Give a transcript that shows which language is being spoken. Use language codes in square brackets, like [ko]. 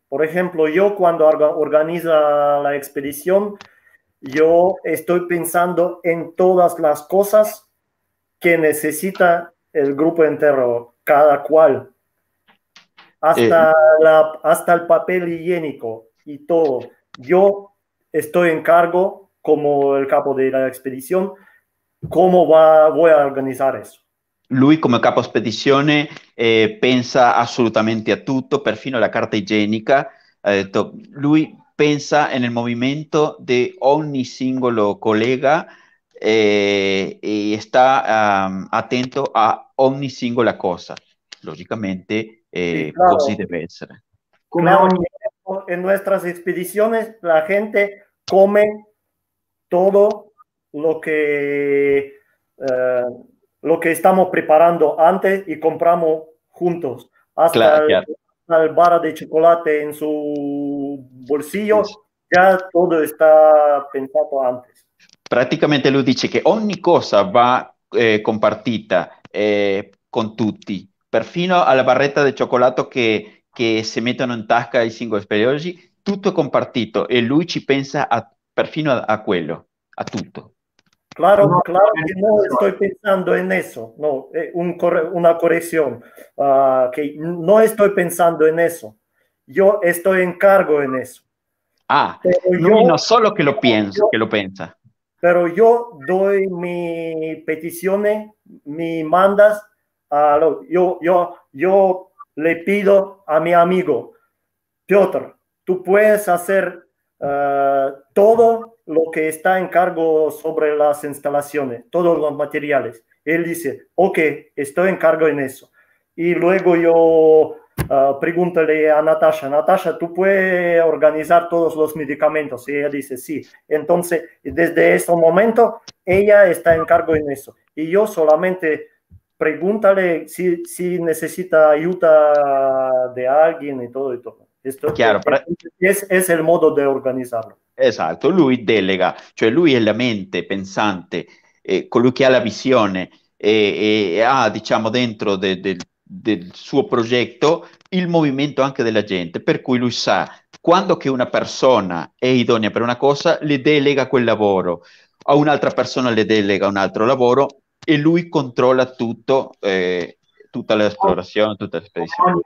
[es] Por ejemplo, yo cuando organizo la expedición, yo estoy pensando en todas las cosas que necesita el grupo entero, cada cual. Hasta el papel higiénico y todo. Yo estoy en cargo, como el capo de la expedición, cómo voy a organizar eso. [it] Lui come capo spedizione pensa assolutamente a tutto, perfino alla carta igienica. Lui pensa nel movimento di ogni singolo collega e sta attento a ogni singola cosa. Logicamente [es] Sí, claro. [it] così deve essere. Come claro. [es] Ogni en nuestras expediciones la gente come todo lo que estamos preparando antes y compramos juntos, hasta Claro. el bar de chocolate en su bolsillo, ya todo está pensado antes. [it] Praticamente lui dice che ogni cosa va compartita con tutti, perfino alla barretta di cioccolato che si mettono in tasca i singoli spediti, tutto è compartito e lui ci pensa perfino a quello, a tutto. [es] Claro, claro que no estoy pensando en eso. No, una corrección. Que no estoy pensando en eso. Yo estoy en cargo en eso. Ah, pero lui no solo que lo piensa, que lo pensa. Pero yo doy mis peticiones, mis mandas. Yo le pido a mi amigo, Piotr, tú puedes hacer todo lo que está en cargo sobre las instalaciones, todos los materiales. Él dice, ok, estoy en cargo en eso. Y luego yo pregúntale a Natasha, Natasha, ¿tú puedes organizar todos los medicamentos? Y ella dice, sí. Entonces, desde ese momento, ella está en cargo en eso. Y yo solamente pregúntale si necesita ayuda de alguien y todo y todo. Esto [it] chiaro, [es] es el modo de organizarlo. [it] Esatto, lui delega, cioè lui è la mente pensante, colui che ha la visione e ha, diciamo, dentro del suo progetto il movimento anche della gente, per cui lui sa quando che una persona è idonea per una cosa, le delega quel lavoro, a un'altra persona le delega un altro lavoro e lui controlla tutto, tutta l'esplorazione, tutta la spedizione.